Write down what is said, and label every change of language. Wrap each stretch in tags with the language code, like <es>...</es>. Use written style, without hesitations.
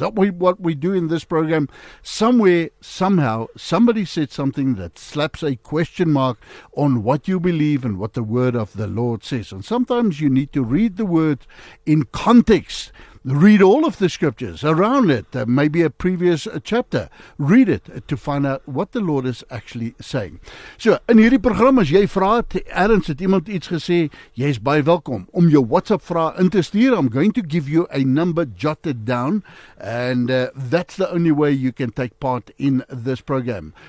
<en>What we do in this program, somewhere, somehow, somebody said something that slaps a question mark on what you believe and what the Word of the Lord says. And sometimes you need to read the Word in context. Read all of the Scriptures around it, maybe a previous chapter. Read it to find out what the Lord is actually saying.</en> <af>So, in hierdie program, as jy vra, ergens het iemand iets gesê, jy is baie welkom om jou WhatsApp vra in te stuur.</af> <en>I'm going to give you a number jotted down, and that's the only way you can take part in this program.</en>